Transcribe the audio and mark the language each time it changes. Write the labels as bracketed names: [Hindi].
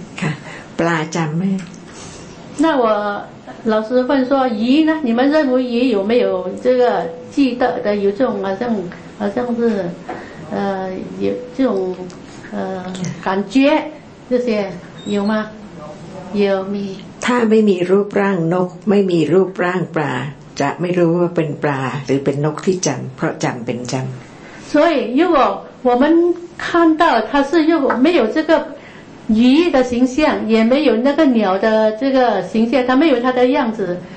[Thai] 看，ปลาจำไหม？ [Chinese] 那我老师问说鱼呢，你们认为鱼有没有这个记得的，有这种好像是有这种感觉，这些有吗？有没 [Thai] ถ้าไม่มีรูปร่างนกไม่มีรูปร่างปลาจะไม่รู้ว่าเป็นปลาหรือเป็นนกที่จำเพราะจำเป็นจำ [Chinese] 所以如果我们看到它是又没有这个鱼的形象，也没有那个鸟的这个形象，它没有它的样子。